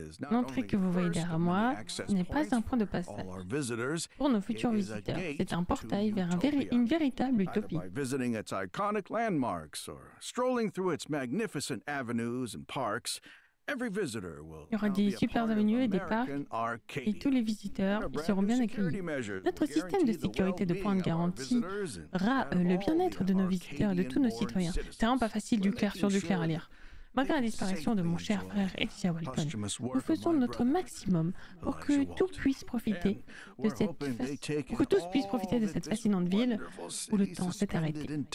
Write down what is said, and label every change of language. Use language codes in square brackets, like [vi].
[fr] L'entrée que vous voyez derrière moi n'est pas un point de passage pour nos futurs visiteurs. C'est un portail vers une véritable utopie. [en] Par visiting its iconic landmarks or strolling through its magnificent avenues and parks. Every visitor will [fr] Il y aura des super avenues et des parcs, et tous les visiteurs y seront bien accueillis. Notre système de sécurité de pointe garantira le bien-être de nos visiteurs et de tous nos citoyens. C'est vraiment pas facile du clair sur du clair à lire. Malgré la disparition de mon cher frère Eddie Walton, nous faisons notre maximum pour que tout puisse profiter de cette fascinante ville où le temps s'est arrêté.